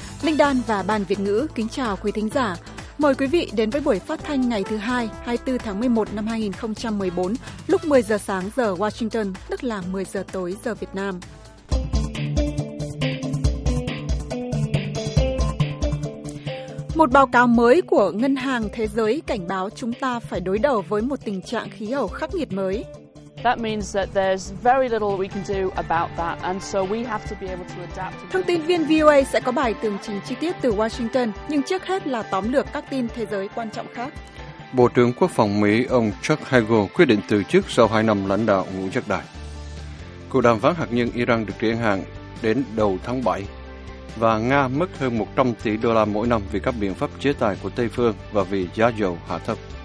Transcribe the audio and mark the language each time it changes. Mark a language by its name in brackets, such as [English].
[Vietnamese] Linh Đan và Ban Việt Ngữ kính chào quý thính giả. Mời quý vị đến với buổi phát thanh ngày thứ Hai, 24 tháng 11 năm 2014, lúc 10 giờ sáng giờ Washington, tức là 10 giờ tối giờ Việt Nam. Một báo cáo mới của Ngân hàng Thế giới cảnh báo chúng ta phải đối đầu với một tình trạng khí hậu khắc nghiệt mới. [English] That means that there's very little we can do about that, and so we have to be able to adapt. [Vietnamese] Thông tin viên VOA sẽ có bài tường trình chi tiết từ Washington, nhưng trước hết là tóm lược các tin thế giới quan trọng khác. Bộ trưởng Quốc phòng Mỹ ông Chuck Hagel quyết định từ chức sau 2 năm lãnh đạo ngũ giác đài. Cuộc đàm phán hạt nhân Iran được triển hạn đến đầu tháng 7, và Nga mất hơn 100 tỷ đô la mỗi năm vì các biện pháp chế tài của Tây phương và vì giá dầu hạ thấp.